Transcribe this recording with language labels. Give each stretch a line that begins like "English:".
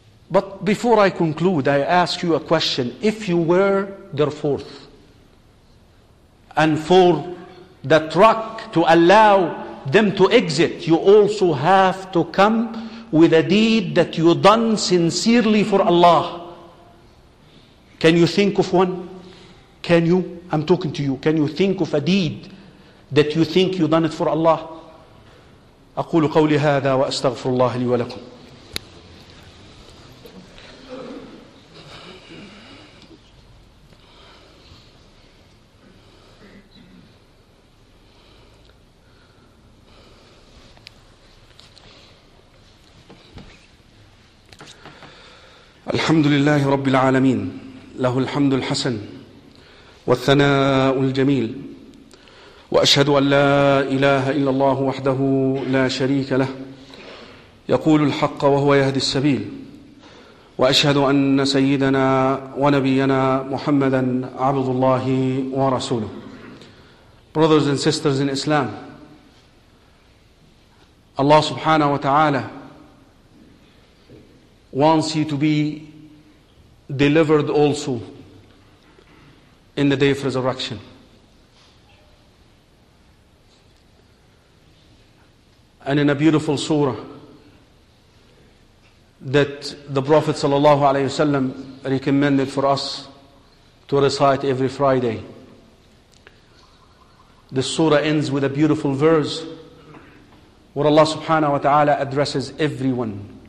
English: But before I conclude, I ask you a question. If you were there fourth, and for the truck to allow them to exit, you also have to come with a deed that you done sincerely for Allah. Can you think of one? Can you? I'm talking to you. Can you think of a deed that you think you done it for Allah?
Arabic: أقول قولي هذا وأستغفر الله لي ولكم. الحمد لله رب العالمين له الحمد الحسن والثناء الجميل وأشهد أن لا إله إلا الله وحده لا شريك له يقول الحق وهو يهدي السبيل وأشهد أن سيدنا ونبينا محمدا عبد الله ورسوله
English: Brothers and sisters in Islam Allah subhanahu wa ta'ala wants you to be delivered also in the day of resurrection. And in a beautiful surah that the Prophet sallallahu alaihi wasallam recommended for us to recite every Friday. The surah ends with a beautiful verse where Allah subhanahu wa ta'ala addresses everyone.